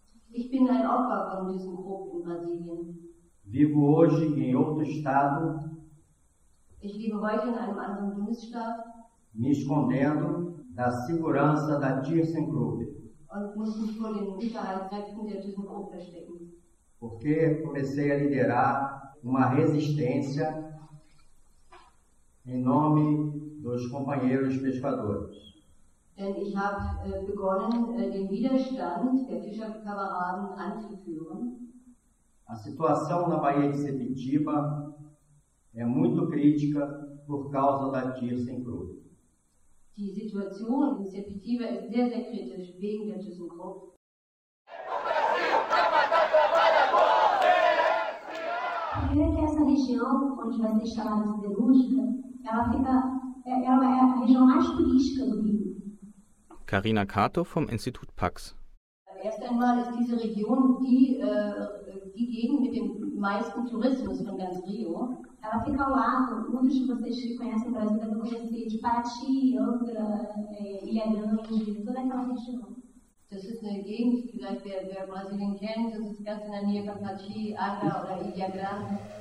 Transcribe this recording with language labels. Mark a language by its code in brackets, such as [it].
[de] Ich bin ein Opfer von ThyssenKrupp in Brasilien. [pt] Vivo hoje em outro estado. [de] Ich lebe heute in einem anderen Bundesstaat. [pt] Me escondendo da segurança da ThyssenKrupp. [de] Und muss mich vor den Sicherheitskräften der ThyssenKrupp verstecken. [pt] Porque comecei a liderar uma resistência em nome dos companheiros pescadores. [de] Denn ich habe begonnen, den Widerstand der Fischerkameraden anzuführen. [pt] A situação na Baía de Sepetiba é muito crítica por causa da ThyssenKrupp. [de] Die Situation in Sepetiba ist sehr, sehr kritisch wegen der ThyssenKrupp. [pt] Essa região onde vai ser instalada a siderúrgica, ela é a região mais turística do Rio. [de] Carina Cato vom Institut Pax. Erst einmal ist diese Region die Gegend mit dem meisten Tourismus von ganz Rio. [pt] Ela fica ao lado, muitos de vocês que conhecem o Brasil devem conhecer de Paraty, Angra, Ilha Grande, toda aquela região. [de] Das ist eine Gegend, vielleicht wer Brasilien kennt, das ist ganz in der Nähe von Paraty, Angra oder Ilha Grande.